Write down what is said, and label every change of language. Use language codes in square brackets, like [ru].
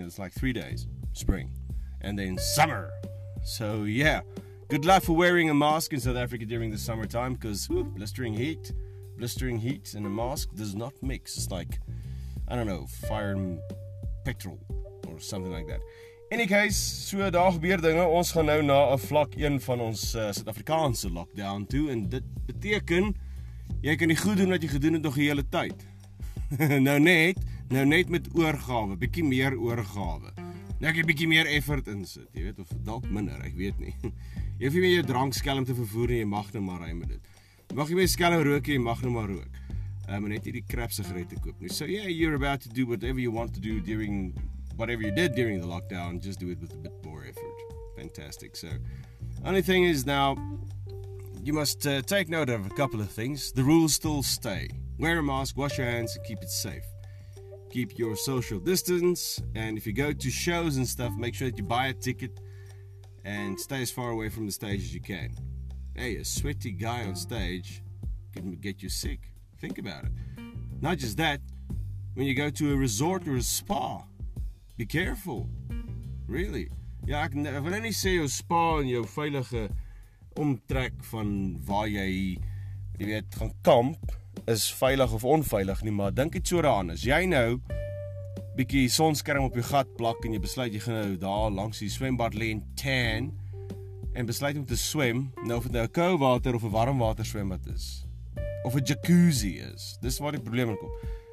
[en] It's like 3 days, spring, and then summer. So yeah, good luck for wearing a mask in South Africa during the summertime because blistering heat and a mask does not mix. It's like, I don't know, fire and petrol or something like that. In any case, [af] so daar gebeur dinge, ons gaan nou na 'n vlak 1 van ons Suid-Afrikaanse lockdown toe en dit beteken jy kan nie goed doen wat jy gedoen het nog die hele tyd. nou net met oorgawe, bietjie meer oorgawe. Nou ek 'n bietjie meer effort insit, jy weet of dalk minder, ek weet nie. Jy hoef nie meer jou drankskelm te vervoer nie, jy mag nou maar ry met dit. Mag jy my skelm rook, jy mag nou maar rook. Maar net hierdie crap sigarette koop nie. [en] So yeah, you're about to do whatever you want to do during whatever you did during the lockdown, just do it with a bit more effort. Fantastic. So, only thing is now, you must take note of a couple of things. The rules still stay. Wear a mask, wash your hands, keep it safe. Keep your social distance. And if you go to shows and stuff, make sure that you buy a ticket and stay as far away from the stage as you can. Hey, a sweaty guy on stage can get you sick. Think about it. Not just that, when you go to a resort or a spa, be careful. Really. [af] Ja, ek wil nie sê jou spa en jou veilige omtrek van waar jy weet, gaan kamp, is veilig of onveilig nie, maar dink iets oor daaraan. As jy nou bietjie sonskerm op jou gat plak en jy besluit jy gaan nou daar langs die swembad lê en tan en besluit om te swem, nou of het nou 'n koue water of 'n warm water swembad is, of 'n jacuzzi is, dis waar die probleem in kom.